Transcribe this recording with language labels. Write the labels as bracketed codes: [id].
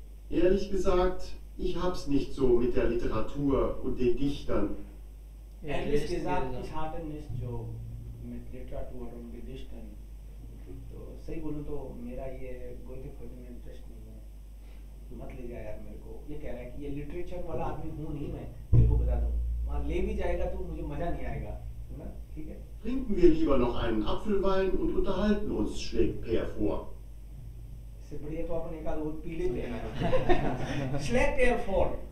[de] Ehrlich gesagt, ich hab's nicht so mit der Literatur und den Dichtern. Ehrlich gesagt, ich hatte nicht so mit literatur und gedichten [hi] तो सही बोलूं तो मेरा ये गोइथे खोजने में इंटरेस्ट नहीं है मत ले जा यार मेरे को ये कह रहा है कि ये लिटरेचर वाला आदमी हूं नहीं मैं तेरे को बता दूं मां ले भी जाएगा तो मुझे मजा नहीं आएगा है ना ठीक है [de] trinken wir lieber noch einen apfelwein und unterhalten uns schlägt Peer vor [hi] इससे बढ़िया तो अपन एक आध और पी लेते हैं [de] schlägt Peer vor